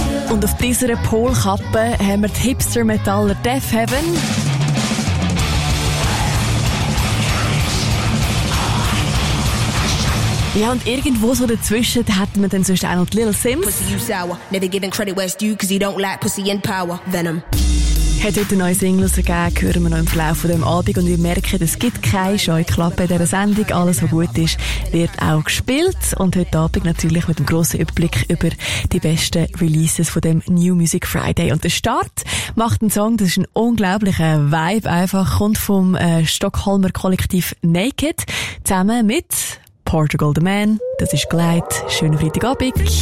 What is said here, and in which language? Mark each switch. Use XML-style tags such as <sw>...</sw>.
<de>Und auf dieser Polkappe haben wir die Hipster-Metaller Death Heaven. Ja, und irgendwo so dazwischen hatten wir dann zwischen Arnold Little Sims.</de> <en>Pussy, you sour. Never giving credit where it's due, cause you don't like pussy in power. Venom.</en> <de>Hat heute neue Singles gegeben, hören wir noch im Verlauf von dem Abend. Und wir merken, es gibt keine Scheuklappe in dieser Sendung. Alles, was gut ist, wird auch gespielt. Und heute Abend natürlich mit einem grossen Überblick über die besten Releases von dem New Music Friday. Und der Start macht einen Song, das ist ein unglaublicher Vibe einfach, kommt vom Stockholmer Kollektiv Naked, zusammen mit Portugal the Man. Das ist Gleit. Schönen Freitagabend.</de>